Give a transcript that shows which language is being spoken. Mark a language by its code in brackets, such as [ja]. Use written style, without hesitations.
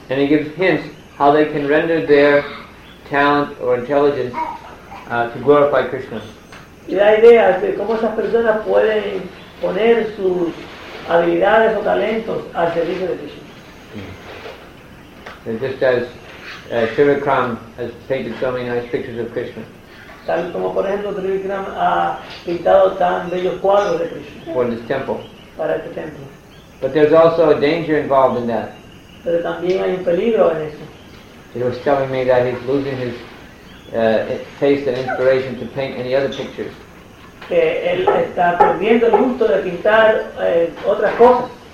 [en] And he gives hints how they can render their talent or intelligence to glorify Krishna. [es] Y da ideas de cómo esas personas pueden poner sus habilidades o talentos al servicio de Krishna. [en] And just as Shrivikram has painted so many nice pictures of Krishna. [es] Tal como por ejemplo Shrivikram ha pintado tan bellos cuadros de Krishna. [en] For this temple. [es] Para este templo. [en] But there's also a danger involved in that. [es] Pero también hay un peligro en eso. [en] He was telling me that he's losing his taste and inspiration to paint any other pictures. [es] Que él está perdiendo el gusto de pintar otras cosas.